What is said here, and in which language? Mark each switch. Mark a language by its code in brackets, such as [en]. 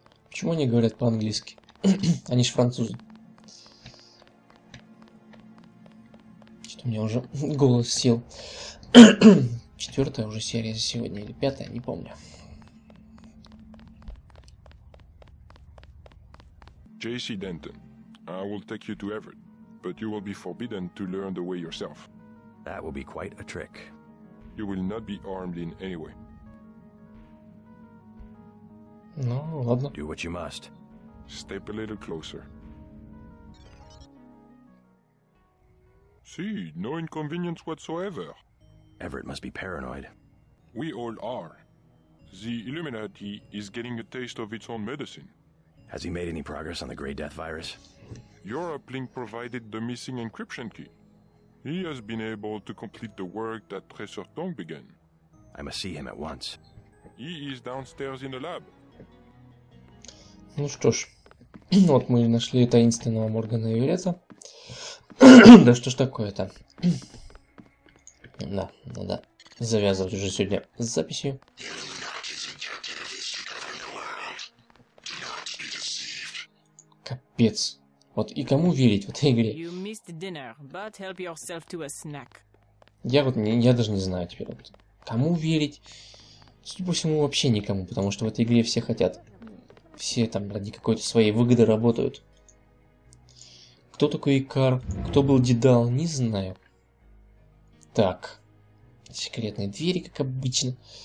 [ru] Почему они говорят по-английски? Они же французы. Что-то у меня уже голос сел. Четвертая уже серия за сегодня или пятая, не помню. [en] J.C. Denton, I will take you to Everett, but you will be forbidden to learn the way yourself. That will be quite a trick. You will not be armed in any way. [ru] Ну, ладно. [en] Do what you must. Step a little closer. See, no inconvenience whatsoever. Everett must be paranoid. We all are. The Illuminati is getting a taste of its own medicine. Has he made any progress on the Grey Death virus? Your uplink provided the missing encryption key. He has been able to complete the work that Professor Tong began. I must see him at once. He is downstairs in the lab. [ru] Ну что ж, вот мы и нашли таинственного Моргана Эверетта. Да что ж такое-то? Да, надо завязывать уже сегодня с записью. Капец. Вот и кому верить в этой игре? [en] You missed dinner, but help yourself to a snack. [ru] Я даже не знаю теперь. Вот, кому верить? Судя по всему, вообще никому, потому что в этой игре все хотят. Все там ради какой-то своей выгоды работают. Кто такой Икар? Кто был Дедал? Не знаю. Так. Секретные двери, как обычно.